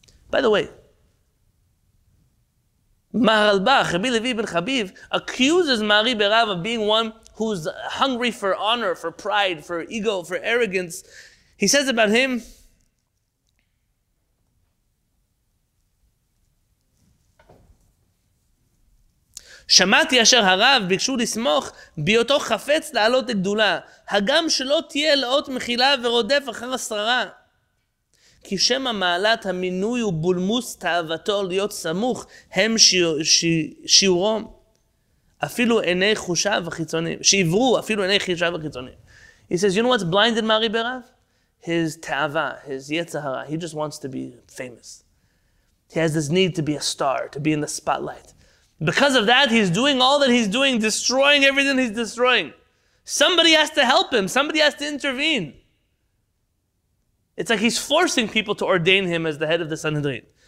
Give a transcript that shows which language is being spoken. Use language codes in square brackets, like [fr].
[en] By the way, Maralbach, Rabbi Levi ibn Habib, accuses Mari Berav of being one who's hungry for honor, for pride, for ego, for arrogance. [he] He says about him, שמעתי אשר הרב ביקשו לסמוך ביותו חפץ לעלות לגדולה, הגם שלא תהיה לאות מכילה ורודף אחר השררה. כי שם המעלת המינוי ובולמוס תאוותו להיות סמוך הם שיעורו אפילו עיני חושיו החיצוניים, שעברו אפילו עיני חושיו החיצוניים. [en] He says, you know what's blinded Mari Berav? His תאווה, his יצהרה. He just wants to be famous. He has this need to be a star, to be in the spotlight. Because of that, he's doing all that he's doing, destroying everything he's destroying. Somebody has to help him. Somebody has to intervene. It's like he's forcing people to ordain him as the head of the Sanhedrin.